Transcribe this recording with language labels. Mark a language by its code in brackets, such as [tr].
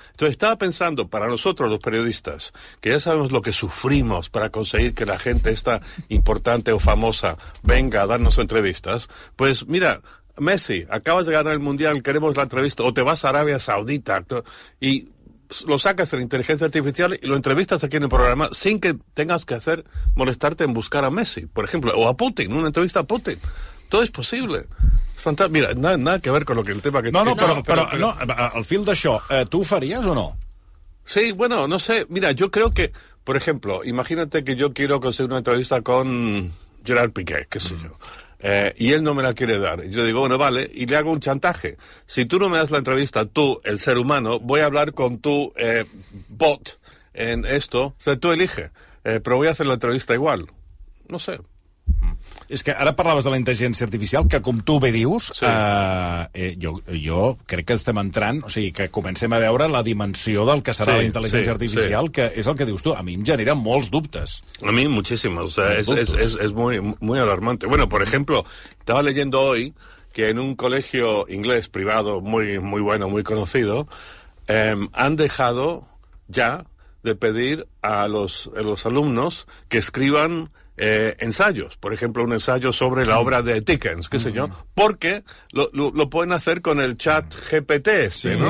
[es] Entonces estaba pensando, para nosotros los periodistas, que ya sabemos lo que sufrimos para conseguir que la gente esta importante o famosa venga a darnos entrevistas, pues mira, Messi, acabas de ganar el Mundial, queremos la entrevista, o te vas a Arabia Saudita y lo sacas en inteligencia artificial y lo entrevistas aquí en el programa sin que tengas que hacer molestarte en buscar a Messi, por ejemplo, o a Putin, una entrevista a Putin. Todo es posible. Fantástico. Mira, nada que ver con el tema que... No, [ca] al fil d'això, [es] ¿tú farías o no? Sí, bueno, no sé. Mira, yo creo que, por ejemplo, imagínate que yo quiero conseguir una entrevista con Gerard Piqué, qué sé yo. Y él no me la quiere dar. Yo digo, bueno, vale, y le hago un chantaje. Si tú no me das la entrevista, tú, el ser humano, voy a hablar con tu bot en esto. O sea, tú elige, pero voy a hacer la entrevista igual. No sé. [ca] És que ara parlaves de la intel·ligència artificial, que com tu bé dius, jo crec que estem entrant, o sigui, que comencem a veure la dimensió del que serà la intel·ligència artificial. Que és el que dius tu. A mi em genera molts dubtes. [es] A mi, muchísimos. O sea, es muy, muy alarmante. Bueno, por ejemplo, estaba leyendo hoy que en un colegio inglés privado muy, muy bueno, muy conocido, han dejado ya de pedir a los alumnos que escriban ensayos, por ejemplo, un ensayo sobre la obra de Dickens, qué sé yo, porque lo pueden hacer con el chat GPT este,